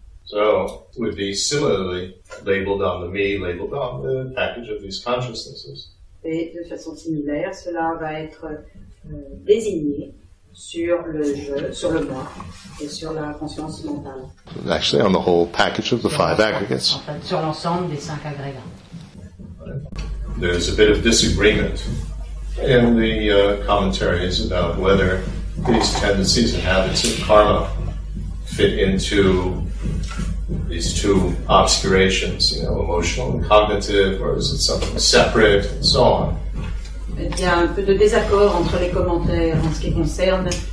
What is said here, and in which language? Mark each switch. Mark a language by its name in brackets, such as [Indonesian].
[English] So, would be similarly labeled on the me, labeled on the package of these consciousnesses. [French] Et de façon similaire, cela va être désigné sur le je, sur le moi, et sur la conscience mentale. [English] Actually, on the whole package of the five aggregates. [French] En fait, sur l'ensemble des cinq agrégats. [English] There's a bit of disagreement in the commentaries about whether these tendencies and habits of karma fit into these two obscurations, you know, emotional and cognitive, or is it something separate, and so on. [French] Il y a un peu de désaccord entre les commentaires en ce qui concerne